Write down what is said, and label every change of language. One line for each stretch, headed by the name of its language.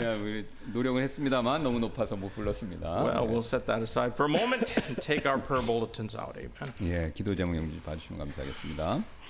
Korean: Yeah, 우리 노력을 했습니다만 너무 높아서 못 불렀습니다.
English: Well, we'll set that aside for a moment and take our prayer bulletins out, amen.
Korean: 예, 기도 제목 영지 봐주시면 감사하겠습니다.